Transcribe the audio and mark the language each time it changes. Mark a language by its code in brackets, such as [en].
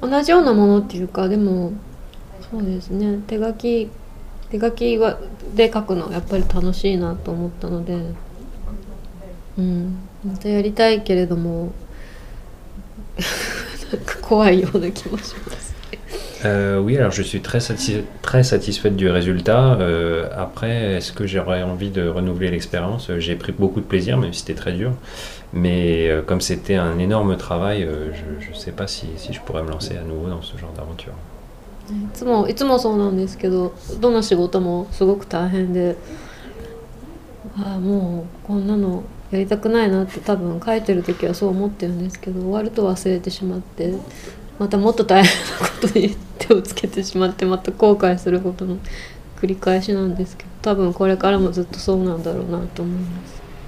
[ja] 同じようなものっていうか、でもそうですね、手書きはで書くのやっぱり楽しいなと思ったので、うん、またやりたいけれどもなんか怖いような気もします。 [fr] Oui, alors je suis très satisfaite du résultat. Après, est-ce que j'aurais envie de renouveler l'expérience? J'ai pris beaucoup de plaisir, même si c'était très dur. Mais comme c'était un énorme travail, je ne sais pas si je pourrais me lancer à nouveau dans ce genre d'aventure. [ja] いつもそうなんですけど、どの仕事もすごく大変で、ああもうこんなのやりたくないなって多分書いてる時はそう思ってるんですけど、終わると忘れてしまって。またもっと大変なことに手をつけてしまって、また後悔することの繰り返しなんですけど、多分これからもずっとそうなんだろうなと思います。